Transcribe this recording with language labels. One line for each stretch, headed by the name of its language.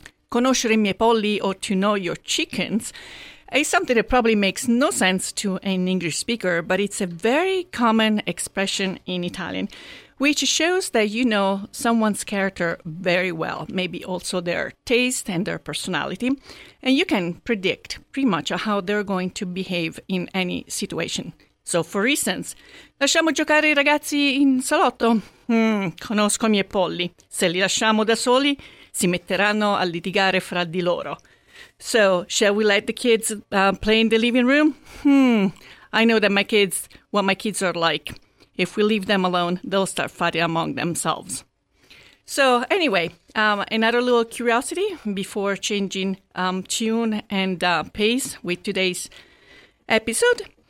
Italian: Conoscere i miei polli,
English: or to know your chickens, is something that probably makes no sense to an English speaker, but it's a very common expression in Italian, which shows that you know someone's character very well, maybe also their taste and their personality, and you can predict pretty much how they're going to behave in any situation. So, for instance,
Italian: lasciamo giocare I ragazzi in salotto? Conosco I miei polli. Se li lasciamo da soli, si metteranno a litigare fra di loro.
English: So, shall we let the kids play in the living room? I know that my kids are like. If we leave them alone, they'll start fighting among themselves. So, anyway, another little curiosity before changing tune and pace with today's episode.